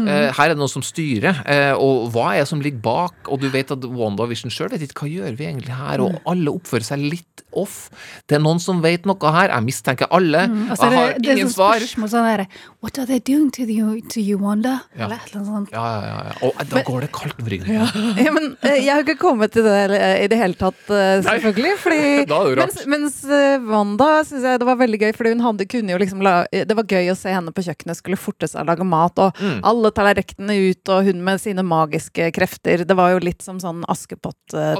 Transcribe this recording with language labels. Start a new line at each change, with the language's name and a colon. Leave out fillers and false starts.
Norwegian: Her det noen som styrer, og hva det som ligger bak, og du vet at WandaVision selv vet ikke, hva gjør vi egentlig her, og alle oppfører seg litt off. Det noen som vet noe her, jeg mistenker alle, jeg har ingen det svar. Det sånn spørsmål,
English: what are they doing to you, Wanda?
Norwegian: Ja. Eller noe sånt. Ja. Og da går det kaldt med ryggen. Ja. Ja, men jeg har ikke kommet til det i det hele tatt, selvfølgelig. Fordi, mens Wanda, synes jeg, det var veldig gøy, fordi hun hadde kunnet jo liksom, det var gøy å se henne på kjøkkenet, skulle forte seg lage mat, og alle tallerektene ut, og hun med sine magiske krefter, det var jo litt som sånn Askepott-ting.